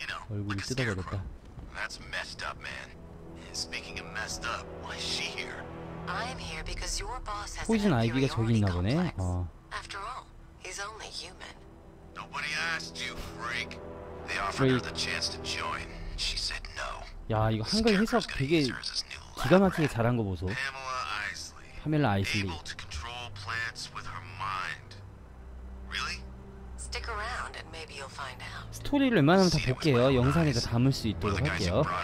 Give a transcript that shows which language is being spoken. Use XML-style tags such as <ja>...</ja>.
<ko>얼굴이 뜯어버렸다.</ko> <en>That's messed up, man. Speaking of messed up, why is she here? I'm here because your boss has a poison ivy가</en> <ko>저기 있나 보네.</ko> <en>After all, he's only human. Nobody asked you, freak. They offered her the chance to join. She said no.</en> <ko>야, 이거 한글 해석 되게 기가 막히게 잘한 거 보소. 파멜라 아이슬리.</ko> <en>Able to control plants with her mind. Really? Stick around and maybe you'll find out.</en> <ko>스토리를 웬만하면 다 볼게요. 영상에서 담을 수 있도록 할게요.</ko>